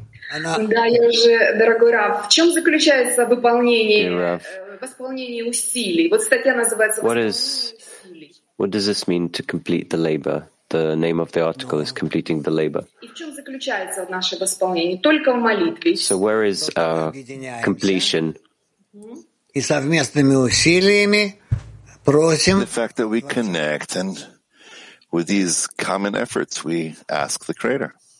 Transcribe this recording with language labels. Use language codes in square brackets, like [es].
[ru] Да, я уже, дорогой Раф, в чем заключается выполнение, восполнение усилий? Вот статья называется «Восполнение усилий». [en] What does this mean to complete the labor? The name of the article is completing the labor. [ru] И в чем заключается наше восполнение? Только в молитве. [en] So where is our completion? [ru] И совместными усилиями просим. [en] The fact that we connect and with these common efforts we ask the Creator.